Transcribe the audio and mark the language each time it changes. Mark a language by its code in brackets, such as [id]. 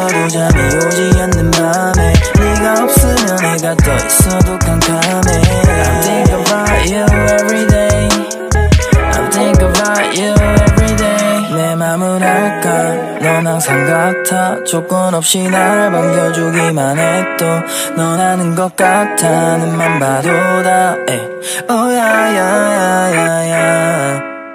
[ko] 잠이 오지 않는 밤에 네가 없으면 내가 떠 있어도 깜깜해. [en] I think about you every day. I think about you every day. [ko] 내 맘은 할까 넌 항상 같아. 조건 없이 날 반겨주기만 해도 넌 아는 것 같아. 눈만 봐도 다 에. [en] Oh yeah yeah yeah yeah yeah.